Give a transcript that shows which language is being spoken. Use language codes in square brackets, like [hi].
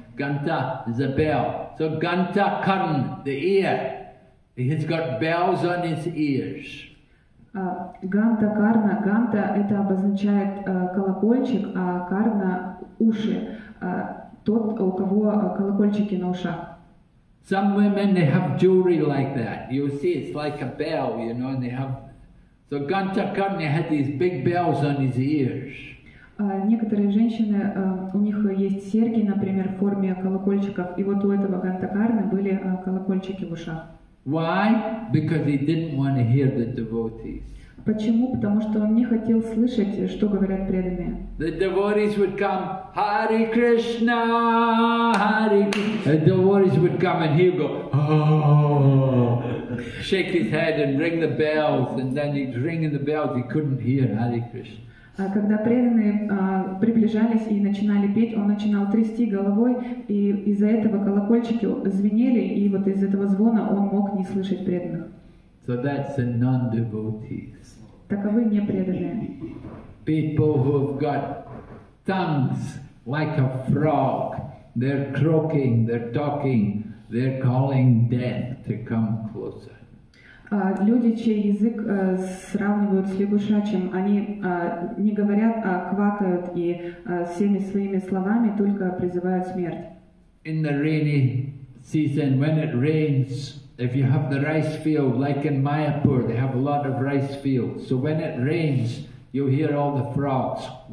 [en] Ганта is the bell. So Гантакарна, the ear. He's got bells on his ears. [ru] Гантакарна, ганта это обозначает колокольчик, а карна уши. Тот, у кого колокольчики на ушах. [en] Some women they have jewelry like that. You see, it's like a bell, you know, and they have. So Gantakarna had these big bells on his ears. [ru] Некоторые женщины, у них есть серьги, например, в форме колокольчиков, и вот у этого Гантакарны были колокольчики в ушах. [en] Why? Because he didn't want to hear the devotees. [ru] Почему? Потому что он не хотел слышать, что говорят преданные. [en] The devotees would come, Hare Krishna, Hare Krishna. The devotees would come and he'd go, oh, shake his head and ring the bells. And then he'd ring the bells, he couldn't hear Hare Krishna. [ru] Когда преданные приближались и начинали петь, он начинал трясти головой, и из-за этого колокольчики звенели, и вот из этого звона он мог не слышать преданных. [en] So that's the non-devotees. [ru] Таковы непреданные. [en] People who've got tongues like a frog, they're croaking, they're talking, they're calling death to come closer. [ru] Люди, чей язык сравнивают с лягушачьим, они не говорят, а квакают и всеми своими словами только призывают смерть. [en] In the rainy season, when it rains, if you have the rice field, like in Mayapur, they have a lot of rice fields. So when it rains, you hear all the frogs.